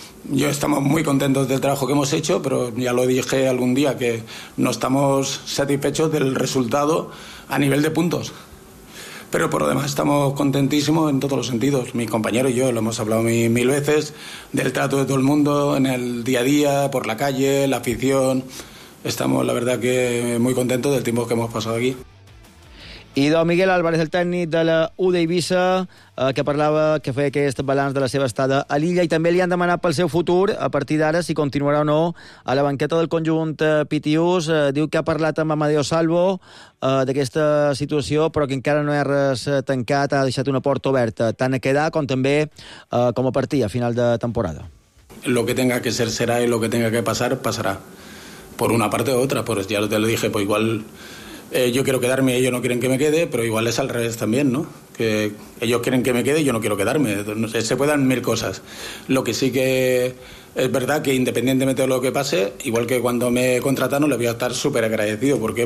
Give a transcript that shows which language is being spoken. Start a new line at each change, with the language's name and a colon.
Spanish: Yo estamos muy contentos del trabajo que hemos hecho, pero ya lo dije algún día que no estamos satisfechos del resultado a nivel de puntos. pero por lo demás estamos contentísimos en todos los sentidos. Mi compañero y yo lo hemos hablado mil veces, del trato de todo el mundo en el día a día, por la calle, la afición. Estamos, la verdad, que muy contentos del tiempo que hemos pasado aquí.
Catalan: I don Miguel Álvarez, el tècnic de la U d'Eivissa, que parlava, que feia aquest balanç de la seva estada a l'illa, i també li han demanat pel seu futur, a partir d'ara, si continuarà o no a la banqueta del conjunt pitius. Diu que ha parlat amb Amadeo Salvo d'aquesta situació, però que encara no hi ha res tancat, ha deixat una porta oberta, tant a quedar com també com a partir, a final de temporada.
Spanish: Lo que tenga que ser será y lo que tenga que pasar, pasará. Por una parte o otra, pues ya te lo dije, pues igual... yo quiero quedarme y ellos no quieren que me quede, pero igual es al revés también, ¿no? Que ellos quieren que me quede y yo no quiero quedarme. No sé, se puedan mil cosas. Lo que sí que es verdad que independientemente de lo que pase, igual que cuando me contrataron, les voy a estar súper agradecido. ¿Por qué?